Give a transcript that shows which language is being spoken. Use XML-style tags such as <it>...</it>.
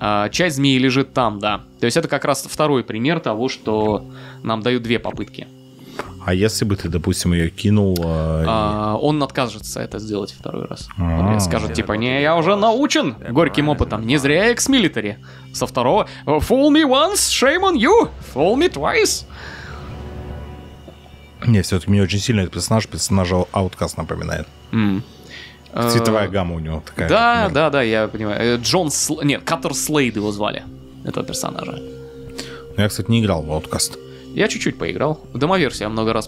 <ru>Часть змеи лежит там, да. То есть это как раз второй пример того, что нам дают две попытки. А если бы ты, допустим, ее кинул... Он откажется это сделать второй раз. Он скажет, типа, не, я уже научен горьким опытом. Не зря я экс-милитари. Со второго...</ru> <en>Fool me once, shame on you. Fool me twice.</en> <ru>Не, все-таки мне очень сильно этот персонаж, персонажа Outcast напоминает. Цветовая гамма у него такая. Да, да, да, я понимаю. Джон Слейд... Нет, Каттер Слейд его звали, этого персонажа. Я, кстати, не играл в Outcast. Я чуть-чуть поиграл. Домоверсия много раз</ru>